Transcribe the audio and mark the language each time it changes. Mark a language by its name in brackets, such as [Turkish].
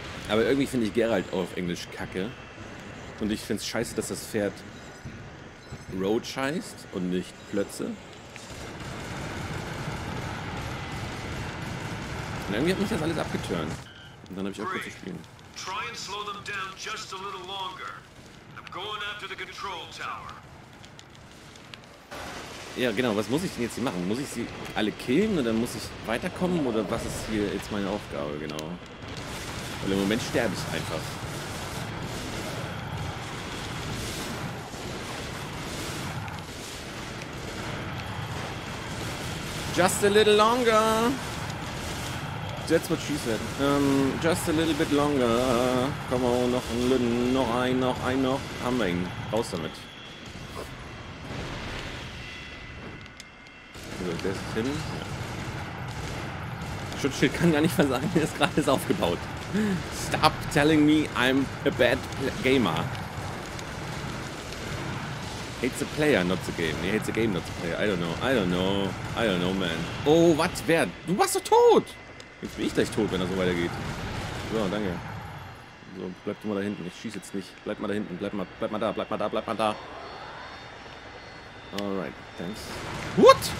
[German] Aber irgendwie finde ich Geralt auch auf Englisch kacke. Und ich finde es scheiße, dass das Pferd Road scheißt und nicht Plötze. Und irgendwie hat mich das alles abgeturnt. Und dann habe ich auch kurz zu spielen. [English] Try and slow them down just a little longer. I'm going after the control tower. [German] Ja, genau. Was muss ich denn jetzt hier machen? Muss ich sie alle killen oder muss ich weiterkommen? Oder was ist hier jetzt meine Aufgabe? Genau. Weil im Moment sterbe ich einfach. [English] Just a little longer. That's what she said. Just a little bit longer. Come on, [German] noch ein Lünn, noch ein. Haben wir ihn. Raus damit. So, der ist hin. Ja. Schutzschild kann gar nicht versagen, der ist gerade ist aufgebaut. [English] Stop telling me I'm a bad gamer. Hate the player, not the game. Nee, hate the game, not the player. I don't know, man. Oh, what? [German] Wer? Du warst doch tot! Jetzt bin ich gleich tot, wenn er so weitergeht. So, danke. So, bleib du mal da hinten. Ich schieße jetzt nicht. Bleib mal da hinten. Bleib mal da. [English] Alright, thanks. What?